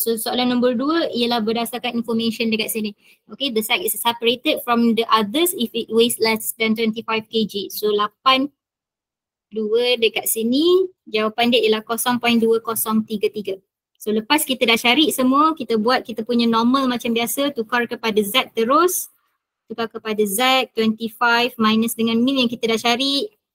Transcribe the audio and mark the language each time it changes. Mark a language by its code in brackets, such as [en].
[ms] So soalan nombor 2 ialah berdasarkan information dekat sini. [en] Okay, the sack is separated from the others if it weighs less than 25 kg. [ms] So 8.2 dekat sini, jawapan dia ialah 0.2033. So lepas kita dah cari semua, kita buat kita punya normal macam biasa, tukar kepada Z terus. Tukar kepada Z, 25 minus dengan mean yang kita dah cari.